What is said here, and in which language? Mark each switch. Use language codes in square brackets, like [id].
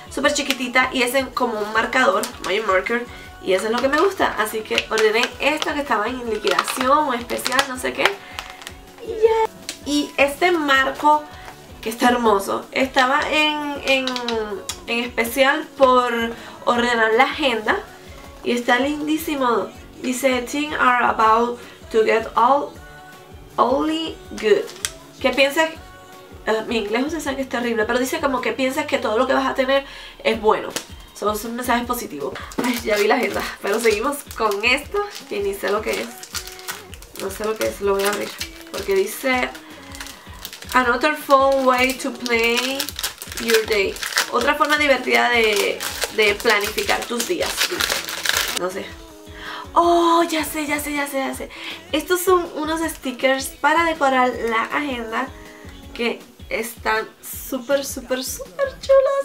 [es] Súper chiquitita y es en como un marcador. [en] My marker. [es] Y eso es lo que me gusta. Así que ordené esto que estaba en liquidación o especial, no sé qué. Y este marco, que está hermoso, estaba en especial por ordenar la agenda. Y está lindísimo. Dice, [en] things are about to get all only good. [es] Que piensas, mi inglés ustedes saben que es terrible, pero dice como que piensas que todo lo que vas a tener es bueno. Son sus mensajes positivos. Ay, ya vi la agenda. Pero seguimos con esto, que ni sé lo que es. No sé lo que es, lo voy a abrir. Porque dice... [en] Another fun way to plan your day. [es] Otra forma divertida de planificar tus días. No sé. Oh, ya sé, ya sé, ya sé, ya sé. Estos son unos stickers para decorar la agenda que están súper, súper, súper chulos.